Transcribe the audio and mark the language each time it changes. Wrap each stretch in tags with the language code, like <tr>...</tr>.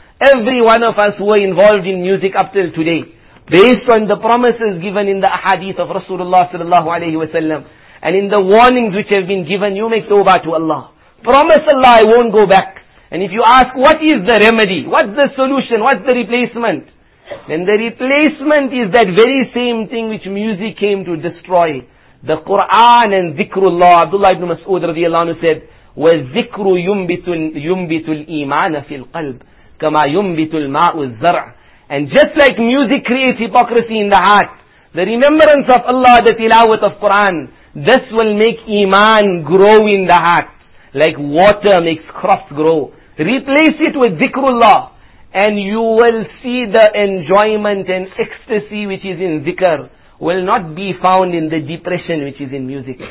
<en>Every one of us who are involved in music up till today, based on the promises given in the ahadith of Rasulullah sallallahu alayhi wa sallam, and in the warnings which have been given, you make tawbah to Allah. Promise Allah, I won't go back. And if you ask, what is the remedy? What's the solution? What's the replacement? Then the replacement is that very same thing which music came to destroy. The Qur'an and Zikrullah.</en> <ar>Abdullah ibn Mas'ud radiallahu anhu said, وَالذِكْرُ يُنْبِتُ الْإِيمَانَ فِي الْقَلْبِ كَمَا يُنْبِتُ الْمَاءُ الزَّرْعِ.</ar> <en>And just like music creates hypocrisy in the heart, the remembrance of Allah, the tilawat of Qur'an, this will make iman grow in the heart. Like water makes crops grow. Replace it with zikrullah. And you will see the enjoyment and ecstasy which is in zikr will not be found in the depression which is in music.</en>